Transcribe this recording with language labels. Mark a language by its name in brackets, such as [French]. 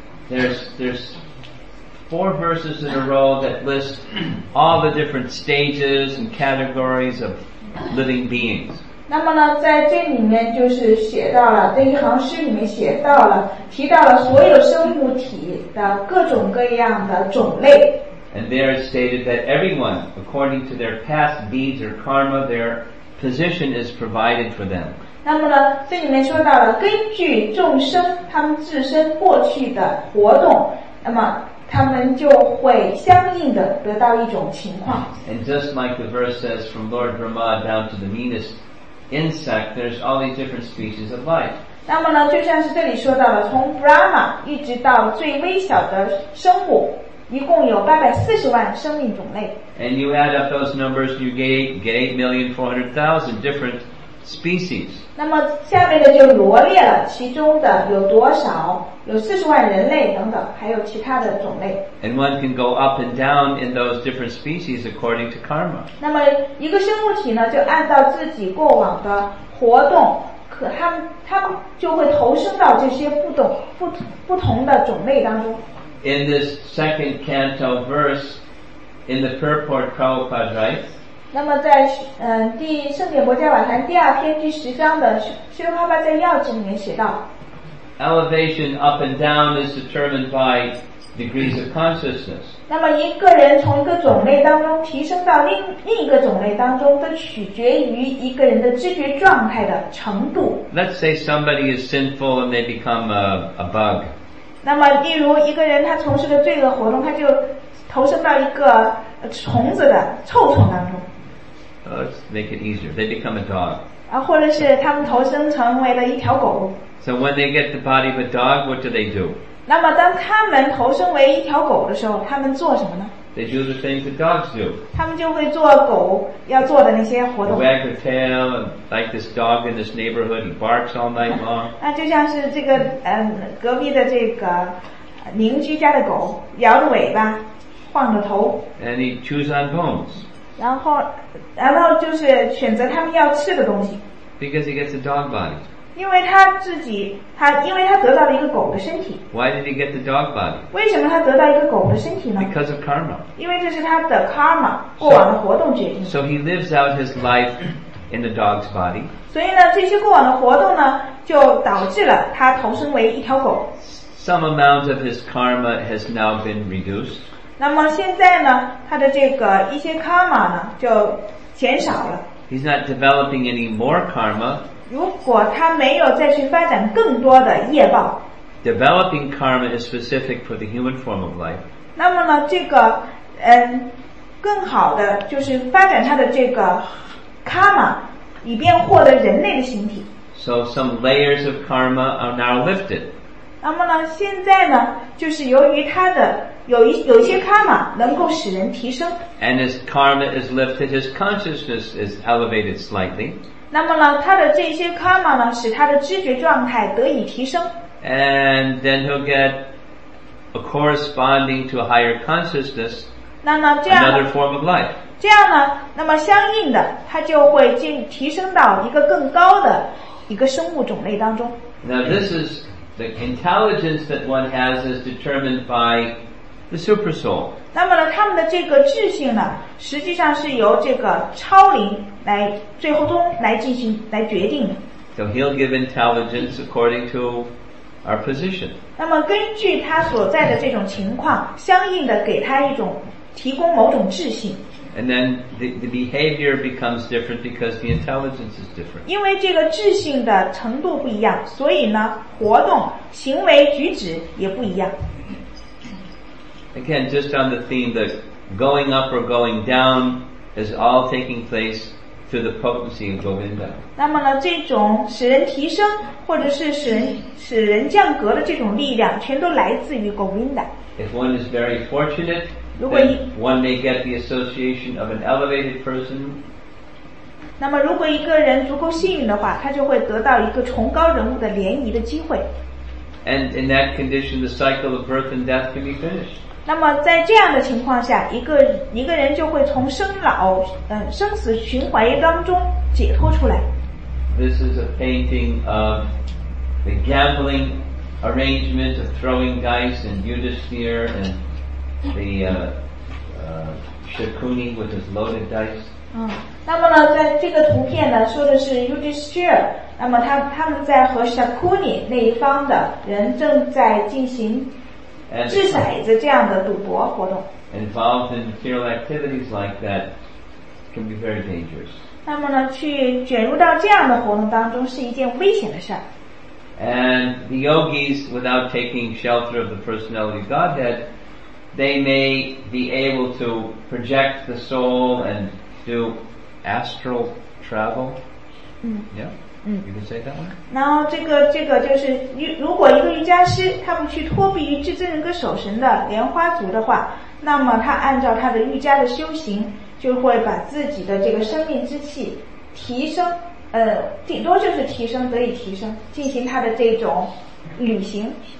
[English] ，there's four verses in a row that list all the different stages and categories of living beings. [Chinese] 那么呢，在这里面就是写到了这一行诗里面写到了，提到了所有生物体的各种各样的种类。 [English] And there is stated that everyone, according to their past deeds or karma, their position is provided for them. [Chinese] 那么呢，这里面说到了根据众生他们自身过去的活动，那么。他们就会相应的得到一种情况。 [English] And just like the verse says, from Lord Brahma down to the meanest insect, there's all these different species of life. [Chinese] 那么呢，就像是这里说到了，从 Brahma 一直到最微小的生物，一共有840万生命种类。 [English] And you add up those numbers, you get 8,400,000 different species. [Chinese] 那么下面的就罗列了其中的有多少。有40万人类等等，还有其他的种类。 [English] And one can go up and down in those different species according to karma. [Chinese] 那么一个生物体呢，就按照自己过往的活动，他们就会投生到这些不同的种类当中。 [English] In this second canto verse, in the purport, Prabhupada writes. [Chinese] 那么在第圣典薄伽瓦坛第二篇第十章的修帕巴在要旨里面写道。 [English] Elevation up and down is determined by degrees of consciousness. [Chinese] 那么一个人从一个种类当中提升到另一个种类当中，都取决于一个人的知觉状态的程度。 [English] Let's say somebody is sinful and they become a bug. [Chinese] 那么例如一个人他从事了罪恶活动，他就投身到一个虫子的臭虫当中。 [English] Let's make it easier. They become a dog. [Chinese] 啊，或者是他们投身成为了一条狗。 [English] So when they get the body of a dog, what do they do? [Chinese] 那么当他们投身为一条狗的时候，他们做什么呢？ [English] They do the things that dogs do. [Chinese] 他们就会做狗要做的那些活动。 [English] Wag their tail, like this dog in this neighborhood, he barks all night long. [Chinese] 那就像是这个隔壁的这个邻居家的狗摇着尾巴。晃着头。 [English] And he chews on bones. [Chinese] 然后就是选择他们要吃的东西。 [English] Because he gets a dog body. [Chinese] 因为他得到了一个狗的身体。 [English] Why did he get the dog body? [Chinese] 为什么他得到一个狗的身体呢？ [English] Because of karma. [Chinese] 因为这是他的 karma 过往的活动决定。 [English] So he lives out his life in the dog's body. [Chinese] 所以呢，这些过往的活动呢，就导致了他投生为一条狗。 [English] Some amount of his karma has now been reduced. [Chinese] 那么现在呢，他的这个一些 karma 呢，就减少了。 [English] He's not developing any more karma. [Chinese] 如果他没有再去发展更多的业报。 [English] Developing karma is specific for the human form of life. [Chinese] 那么呢，这个更好的就是发展他的这个 karma， 以便获得人类的形体。 [English] So some layers of karma are now lifted. [Chinese] 那么呢，现在呢，就是由于他的有一些 karma 能够使人提升。 [English] And his karma is lifted, his consciousness is elevated slightly. [Chinese] 那么呢，他的这些 karma 呢，使他的知觉状态得以提升。 [English] And then he'll get a corresponding to a higher consciousness. [Chinese] 那么这样 [English] another form of life. [Chinese] 这样呢，那么相应的，他就会提升到一个更高的一个生物种类当中。 [English] Now this is. The intelligence that one has is determined by the super soul. [Chinese] 那么呢，他们的这个智性呢，实际上是由这个超灵来最后中来进行来决定的。 [English] So he'll give intelligence according to our position. [Chinese] 那么根据他所在的这种情况，相应的给他一种提供某种智性。 [English] And then the behavior becomes different because the intelligence is different. [Chinese] 因为这个智性的程度不一样，所以呢，活动、行为、举止也不一样。 [English] Again, just on the theme that going up or going down is all taking place through the potency of Govinda. [Chinese] 那么呢，这种使人提升或者是使人降格的这种力量，全都来自于 Govinda. [English] If one is very fortunate. Then one may get the association of an elevated person. [Chinese] 那么如果一个人足够幸运的话，他就会得到一个崇高人物的联谊的机会。 [English] And in that condition, the cycle of birth and death can be finished. [Chinese] 那么在这样的情况下，一个人就会从生老生死循环当中解脱出来。 [English] This is a painting of the gambling arrangement of throwing dice and Yudhisthira and. The Shakuni with his loaded dice. [Chinese] 那么呢，在这个图片呢，说的是 Yudhisthira。那么他们在和 Shakuni 那一方的人正在进行掷骰子这样的赌博活动。 [English] Involved in feral activities like that can be very dangerous. [Chinese] 那么呢，去卷入到这样的活动当中是一件危险的事儿。 [English] And the yogis, without taking shelter of the personality of Godhead. They may be able to project the soul and do astral travel. You can say that one. [Chinese] 然后这个就是，如果一个瑜伽师他不去脱避于至尊人格守神的莲花族的话，那么他按照他的瑜伽的修行，就会把自己的这个生命之气提升，顶多就是提升，得以提升，进行他的这种旅行。